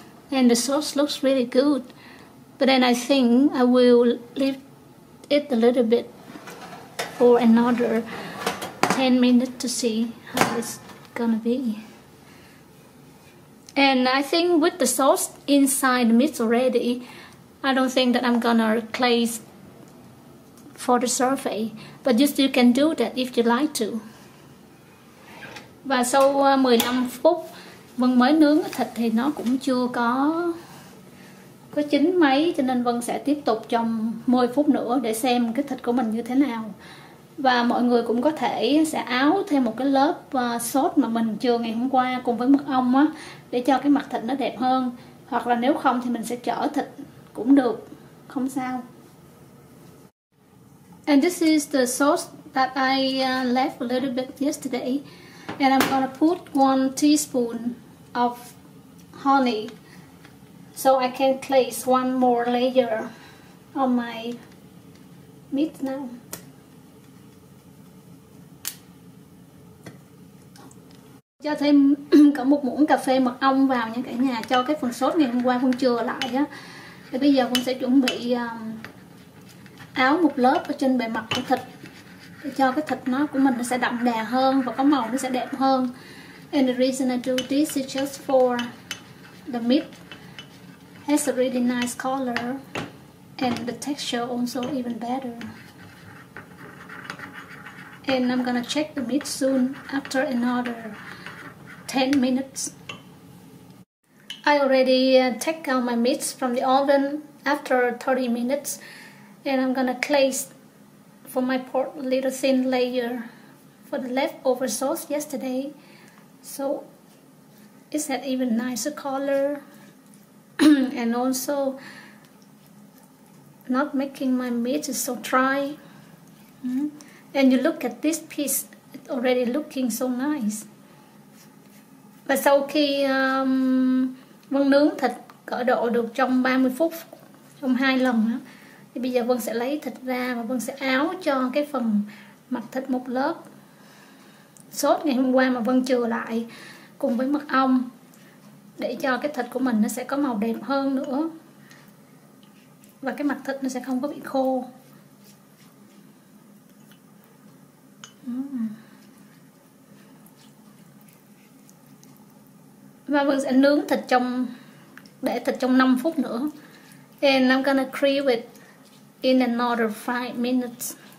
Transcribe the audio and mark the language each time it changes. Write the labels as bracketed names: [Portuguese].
[English] And the sauce looks really good. But then I think I will leave it a little bit for another 10 minutes to see how it's gonna be. And I think with the sauce inside the meat already, I don't think that I'm gonna place for the survey. But just you can do that if you like to. [Vietnamese] Và sau 15 phút Vân mới nướng thịt thì nó cũng chưa có chín mấy, cho nên Vân sẽ tiếp tục trong 10 phút nữa để xem cái thịt của mình như thế nào. Và mọi người cũng có thể sẽ áo thêm một cái lớp sốt mà mình chưa ngày hôm qua cùng với mật ong á, để cho cái mặt thịt nó đẹp hơn. Hoặc là nếu không thì mình sẽ chở thịt cũng được, không sao. [English] And this is the sauce that I left a little bit yesterday, and I'm gonna put 1 teaspoon of honey so I can place one more layer on my meat now. [Vietnamese] Cho thêm cả một muỗng cà phê mật ong vào nha cả nhà, cho cái phần sốt ngày hôm qua con chừa lại á. Thì bây giờ con sẽ chuẩn bị áo một lớp ở trên bề mặt của thịt để cho cái thịt nó của mình nó sẽ đậm đà hơn và có màu nó sẽ đẹp hơn. [English] And the reason I do this is just for the meat has a really nice color and the texture also even better. And I'm gonna check the meat soon after another 10 minutes. I already take out my meats from the oven after 30 minutes, and I'm gonna place for my pork a little thin layer for the leftover sauce yesterday, so it's had even nicer color and also not making my meat is so dry. And you look at this piece, it's already looking so nice. [Vietnamese] Và sau khi Vân nướng thịt cỡ độ được trong 30 phút trong hai lần á, thì bây giờ Vân sẽ lấy thịt ra và Vân sẽ áo cho cái phần mặt thịt một lớp sốt ngày hôm qua mà Vân chừa lại cùng với mật ong để cho cái thịt của mình nó sẽ có màu đẹp hơn nữa và cái mặt thịt nó sẽ không có bị khô. Và mình sẽ nướng thịt trong, để thịt trong 5 phút nữa. [English] And I'm gonna cream it in another 5 minutes.